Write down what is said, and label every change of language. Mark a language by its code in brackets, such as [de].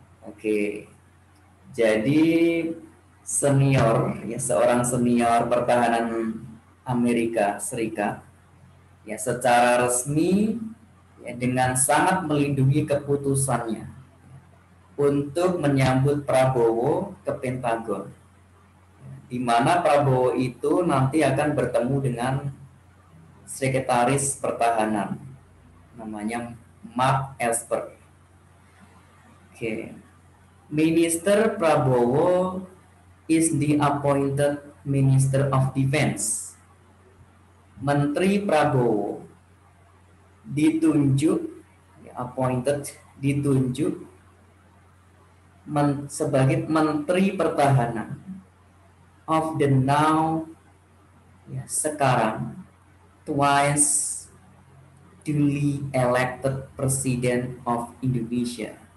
[id] Oke, jadi senior, ya, seorang senior pertahanan Amerika Serikat, ya, secara resmi, ya, dengan sangat melindungi keputusannya untuk menyambut Prabowo ke Pentagon, di mana Prabowo itu nanti akan bertemu dengan sekretaris pertahanan namanya Mark Esper. Oke. [en] Minister Prabowo is the appointed Minister of Defense. [id] Menteri Prabowo ditunjuk, appointed, ditunjuk sebagai Menteri Pertahanan [en] of the now, [id] ya, sekarang [en] twice duly elected President of Indonesia,